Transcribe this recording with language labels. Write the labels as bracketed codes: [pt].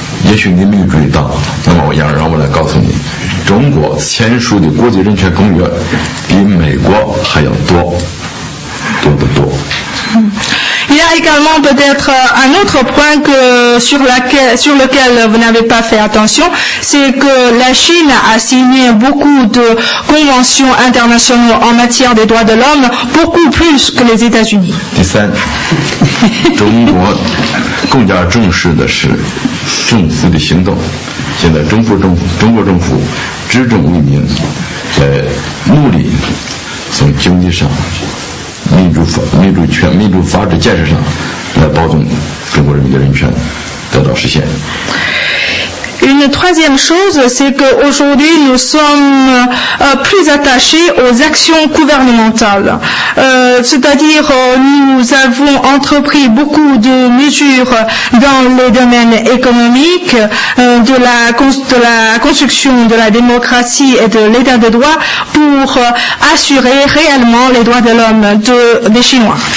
[zh] 也许您没有注意到，那么让我来告诉你，中国签署的国际人权公约比美国还要多，多得多。 [fr] Il y a également peut-être un autre point que, sur lequel vous n'avez pas fait attention, c'est que la Chine a signé beaucoup de conventions internationales en matière des droits de l'homme, beaucoup plus que les États-Unis. [zh] 第三，中国更加重视的是政府的行动。现在中国政府执政为民，在努力从经济上民主法治建设上来保证中国人民的人权得到实现。 [fr] Une troisième chose, c'est qu'aujourd'hui, nous sommes plus attachés aux actions gouvernementales. C'est-à-dire, nous avons entrepris beaucoup de mesures dans les domaines économiques, de la construction de la démocratie et de l'état de droit pour assurer réellement les droits de l'homme des Chinois.